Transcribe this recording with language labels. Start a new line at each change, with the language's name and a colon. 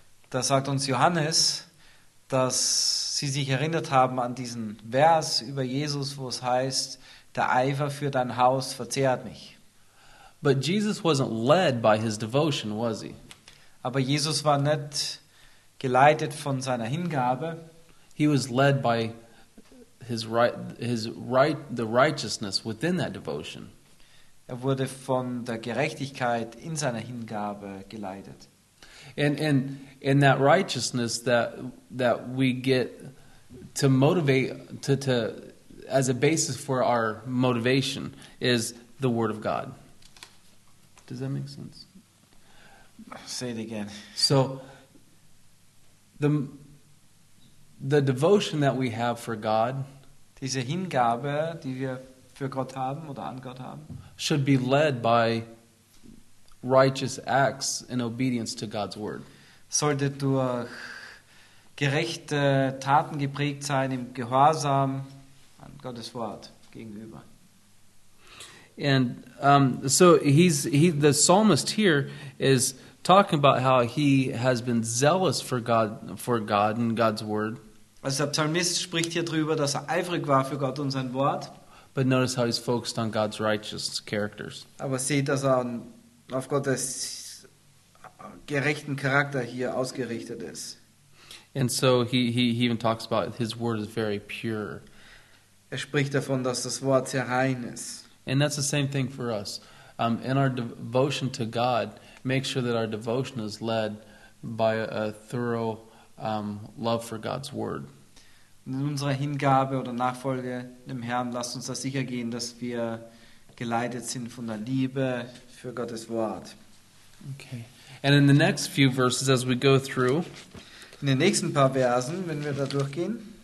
German: Da sagt uns Johannes, dass sie sich erinnert haben an diesen Vers über Jesus, wo es heißt, der Eifer für dein Haus verzehrt mich.
English: But Jesus wasn't led by his devotion, was he?
German: Aber Jesus war nicht geleitet von seiner Hingabe.
English: He was led by the righteousness within that devotion.
German: Er wurde von der Gerechtigkeit in seiner Hingabe geleitet.
English: And that righteousness that we get to motivate to as a basis for our motivation is the Word of God. Does that make sense? Say it again. So the devotion that we have for God,
German: diese Hingabe, die wir für Gott haben oder an Gott haben,
English: should be led by righteous acts in obedience to God's word.
German: Sollte durch gerechte Taten geprägt sein im Gehorsam an Gottes Wort gegenüber.
English: And the psalmist here is talking about how he has been zealous for God and God's word.
German: Also der Psalmist spricht hier drüber, dass er eifrig war für Gott und sein Wort.
English: But notice how he's focused on God's righteous characters.
German: Aber sieht, dass er auf Gottes gerechten Charakter hier ausgerichtet ist.
English: And so he even talks about his word is very pure.
German: Er spricht davon, dass das Wort sehr rein ist.
English: And that's the same thing for us. In our devotion to God, make sure that our devotion is led by a thorough love for God's word.
German: In unserer Hingabe oder Nachfolge dem Herrn, lasst uns da sicher gehen, dass wir geleitet sind von der Liebe für Gottes Wort.
English: Okay. And in the next few verses, as we go through,
German: in den nächsten paar Versen, wenn wir da durchgehen,